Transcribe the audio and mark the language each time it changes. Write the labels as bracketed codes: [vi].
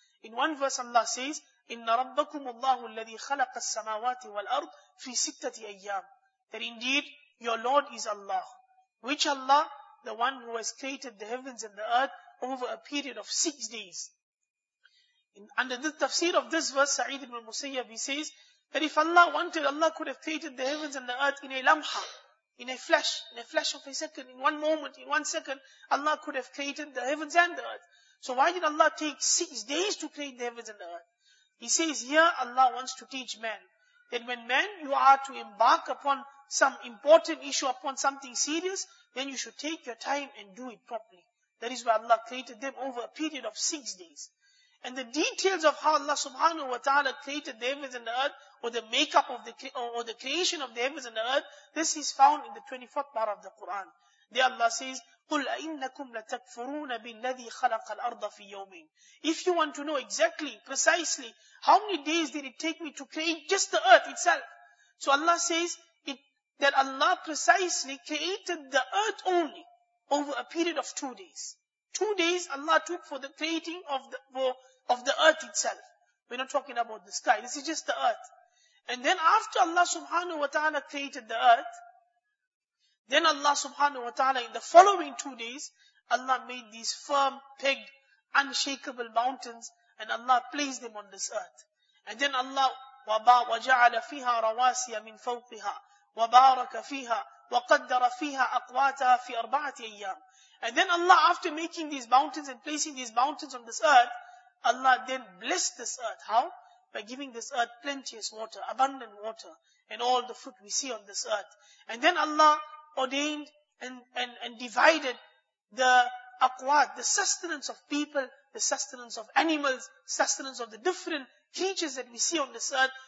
[en] In one verse Allah says, [ar] إِنَّ رَبَّكُمُ اللَّهُ الَّذِي خَلَقَ السَّمَاوَاتِ وَالْأَرْضِ فِي سِتَّةِ أَيَّامٍ. [en] That indeed, your Lord is Allah. Which Allah? The one who has created the heavens and the earth over a period of 6 days. Under the tafsir of this verse, Sa'id ibn Musayyab, he says that if Allah wanted, Allah could have created the heavens and the earth in a lamha, in a flash of a second, in one moment, in 1 second, Allah could have created the heavens and the earth. So why did Allah take 6 days to create the heavens and the earth? He says here Allah wants to teach man that when man, you are to embark upon some important issue, upon something serious, then you should take your time and do it properly. That is why Allah created them over a period of 6 days. And the details of how Allah subhanahu wa ta'ala created the heavens and the earth, or the makeup of the creation of the heavens and the earth, this is found in the 24th part of the Quran. Then Allah says, [ar] قُلْ أَإِنَّكُمْ لَتَكْفُرُونَ بِالَّذِي خَلَقَ الْأَرْضَ فِي يَوْمٍ. [en] If you want to know exactly, precisely, how many days did it take me to create just the earth itself? So Allah says that Allah precisely created the earth only over a period of 2 days. 2 days Allah took for the creating of the earth itself. We're not talking about the sky. This is just the earth. And then after Allah subhanahu wa ta'ala created the earth, then Allah subhanahu wa ta'ala in the following 2 days, Allah made these firm, pegged, unshakable mountains and Allah placed them on this earth. And then Allah [ar] وَجَعَلَ فِيهَا رَوَاسِيَ مِنْ فَوْقِهَا وَبَارَكَ فِيهَا وَقَدَّرَ فِيهَا أَقْوَاتَهَا فِي أَرْبَعَةِ أَيَّامٍ. [en] And then Allah, after making these mountains and placing these mountains on this earth, Allah then blessed this earth. How? By giving this earth plenteous water, abundant water, and all the fruit we see on this earth. And then Allah ordained and divided the aqwat, the sustenance of people, the sustenance of animals, sustenance of the different creatures that we see on this earth.